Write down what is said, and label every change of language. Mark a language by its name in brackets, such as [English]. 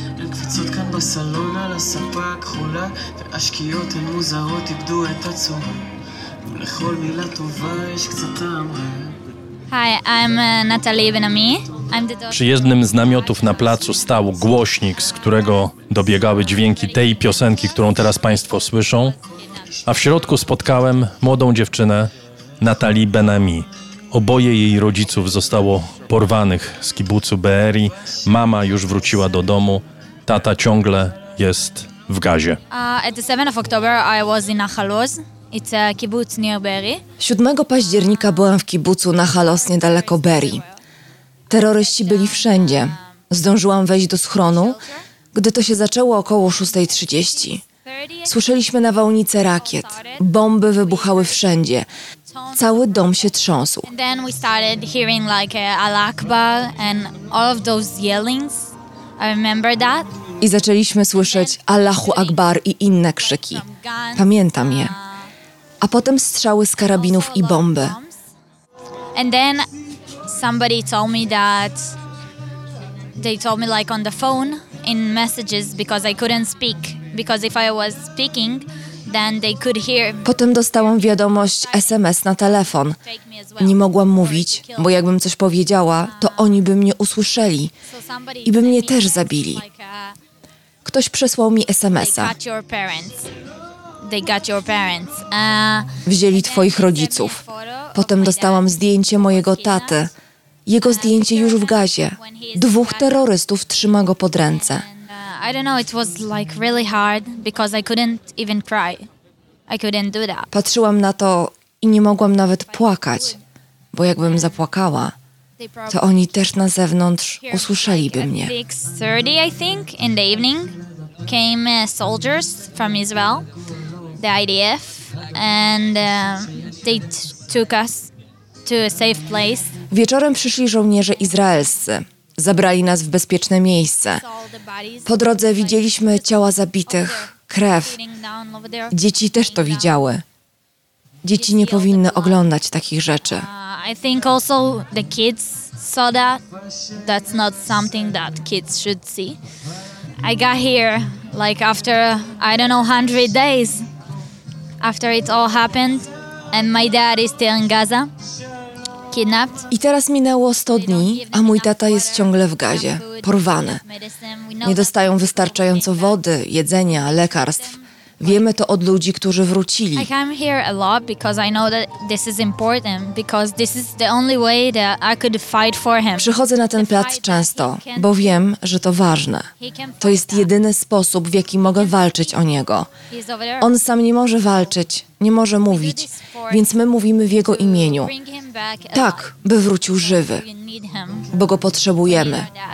[Hebrew] קפיצותן בסלונה, לספה הכחולה, והשקיעות הן מוזרות איבדו את הצורה. ולכל מילה טובה יש קצת טעם. [English] Hi, I'm Natalie Benami. [Polish] Przy jednym z namiotów na placu stał głośnik, z którego dobiegały dźwięki tej piosenki, którą teraz Państwo słyszą, a w środku spotkałem młodą dziewczynę Natalie Benami. Oboje jej rodziców zostało porwanych z kibucu Be'eri. Mama już wróciła do domu, tata ciągle jest w Gazie. [English] At the 7th of October I was in Nahal Oz. It's a kibbutz near Be'eri. [Polish] 7 października byłam w kibucu Nahal Oz niedaleko Be'eri. Terroryści byli wszędzie. Zdążyłam wejść do schronu, gdy to się zaczęło około 6:30. Słyszeliśmy nawałnicę rakiet. Bomby wybuchały wszędzie. Cały dom się trząsł. [English] Then we started hearing like Al-Akbar and all of those yellings. I remember that. [Polish] I zaczęliśmy słyszeć Allahu Akbar i inne krzyki. Pamiętam je. A potem strzały z karabinów i bomby. [English] And then somebody told me that they told me like on the phone in messages because I couldn't speak because if I was speaking then they could hear. [Polish] Potem dostałam wiadomość SMS na telefon. Nie mogłam mówić, bo jakbym coś powiedziała, to oni by mnie usłyszeli i by mnie też zabili. Ktoś przesłał mi SMS-a. [English] They got your parents. [Polish] Wzięli twoich rodziców. Potem dostałam zdjęcie mojego taty. Jego zdjęcie już w Gazie. Dwóch terrorystów trzyma go pod ręce. [English] I don't know, it was like really hard because I couldn't even cry. I couldn't do that. [Polish] Patrzyłam na to i nie mogłam nawet płakać, bo jakbym zapłakała, to oni też na zewnątrz usłyszeliby mnie. [English] At 6:30, I think, in the evening, came soldiers from Israel, the IDF, and they took us to a safe place. [Polish] Wieczorem przyszli żołnierze izraelscy. Zabrali nas w bezpieczne miejsce. Po drodze widzieliśmy ciała zabitych, krew. Dzieci też to widziały. Dzieci nie powinny oglądać takich rzeczy. [English] I think also the kids saw that. That's not something that kids should see. I got here like after I don't know 100 days after it all happened and my dad is still in Gaza. Kidnapped. [Polish] I teraz minęło 100 dni, a mój tata jest ciągle w Gazie, porwany. Nie dostają wystarczająco wody, jedzenia, lekarstw. Wiemy to od ludzi, którzy wrócili. [English] I come here a lot because I know that this is important because this is the only way that I could fight for him. [Polish] Przychodzę na ten plac często, bo wiem, że to ważne. To jest jedyny sposób, w jaki mogę walczyć o niego. On sam nie może walczyć, nie może mówić, więc my mówimy w jego imieniu. Tak, by wrócił żywy, bo go potrzebujemy.